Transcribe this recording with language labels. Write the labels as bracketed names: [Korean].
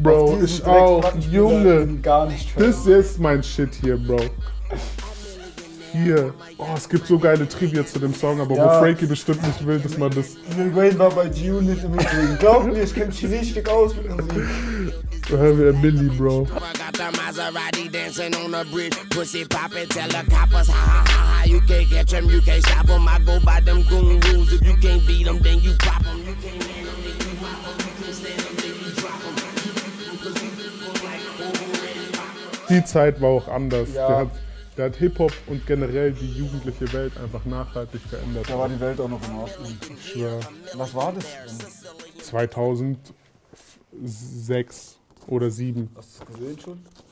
[German] Bro, ich auch. Junge, gar nicht das ist mein Shit hier, Bro. Hier. Oh, es gibt so geile Trivia zu dem Song, aber ja. Wo Frankie bestimmt nicht will, dass man das... Lil Wayne war bei G-Unit im Übrigen. Glaub mir, ich kenn mich richtig aus mit Musik. Da hören wir Emily, Bro. [English] You can't catch him, you can't stop him. I go by them goon rules. If you can't beat them, then you pop them. You can't handle them, then you pop them. You can't stand them, then you drop them. Because people like overrated. [German] Die Zeit war auch anders. Ja. Der hat Hip-Hop und generell die jugendliche Welt einfach nachhaltig verändert. Da war die Welt auch noch in Ordnung. Ja. Was war das denn? 2006 oder 2007. Hast du es gesehen schon?